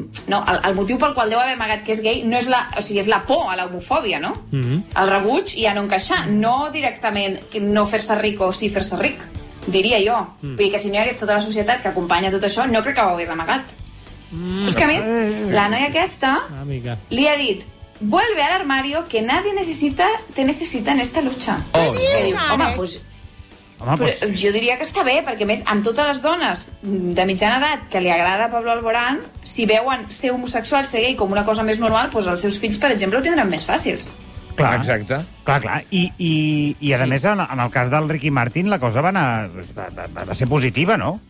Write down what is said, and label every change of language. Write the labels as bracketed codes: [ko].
[ca] No, el motiu pel qual deu haver amagat que és gay no és la, o sigui, és la por a l'homofòbia, no? Mm-hmm. El rebuig i a no encaixar. Mm-hmm. No directament no fer-se ric o sí fer-se ric, diria jo. Mm-hmm. Vull dir que si no hi hagués tota la societat que acompanya tot això, no crec que ho hagués amagat. Mm-hmm. Però és que, a més, la noia aquesta amiga li ha dit... [es] Vuelve al armario que nadie necesita, te necesita en esta lucha. Oh, [ca] dius, home, pues... Home, però pues... jo diria que està bé, perquè a més amb totes les dones de mitjana edat que li agrada Pablo Alborán, si veuen ser homosexual, ser gay com una cosa més normal, doncs els seus fills, per exemple, ho tindran més fàcils. Clar, exacte. Clar, clar. I a, sí, a més, en el cas del Ricky Martin, la cosa va anar, va ser positiva, no?